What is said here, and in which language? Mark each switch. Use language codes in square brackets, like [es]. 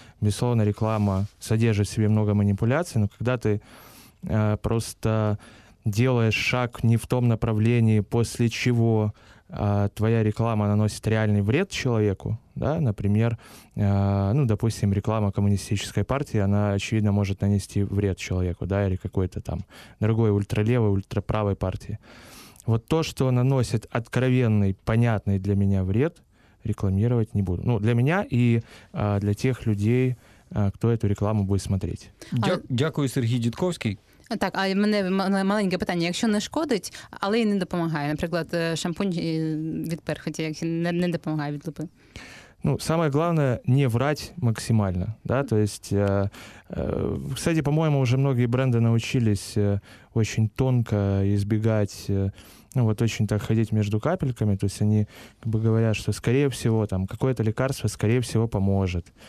[ru] Безусловно, реклама содержит в себе много манипуляций, но когда ты просто делаешь шаг не в том направлении, после чего твоя реклама наносит реальный вред человеку, да, например, допустим, реклама коммунистической партии, она, очевидно, может нанести вред человеку, да, или какой-то там другой ультралевой, ультраправой партии. Вот то, что наносит откровенный, понятный для меня вред, рекламировать не буду. Для меня и для тех людей, кто эту рекламу будет смотреть. [uk] Дякую, Сергій Дідковський. Так, а в мене маленьке питання. Якщо не шкодить, але й не допомагає, наприклад, шампунь від перхоті, як не допомагає від лупи? [ru] Самое главное – не врать максимально. Да? То есть, кстати, по-моему, уже многие бренды научились очень тонко избегать, очень так ходить между капельками. То есть они как бы говорят, что, скорее всего, там какое-то лекарство, скорее всего, поможет.